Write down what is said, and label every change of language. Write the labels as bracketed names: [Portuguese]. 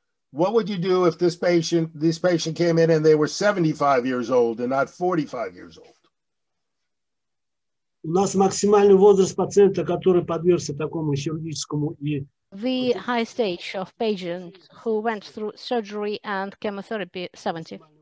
[English] What would you do if this patient came in and they were 75 years old and not 45 years old? [Russian] У нас максимальный возраст пациента, который подвергся такому хирургическому и [English] the highest age of patients who went through surgery and chemotherapy, 70.